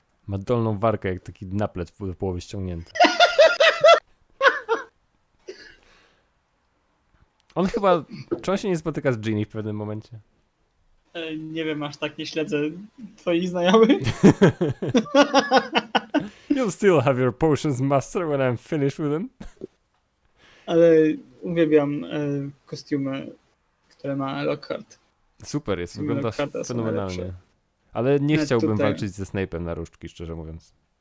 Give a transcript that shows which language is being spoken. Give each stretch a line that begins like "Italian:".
Polish: Ma dolną warkę, jak taki naplet do połowy ściągnięty. On chyba, czy on się nie spotyka z Ginny w pewnym momencie? Nie wiem, aż tak nie śledzę twoich znajomych.
English: You'll still have your potions master when I'm finished with them.
Polish: Ale uwielbiam kostiumy, które ma Lockhart. Super jest, wygląda fenomenalnie. Ale nie chciałbym walczyć ze Snape'em na różdżki, szczerze mówiąc.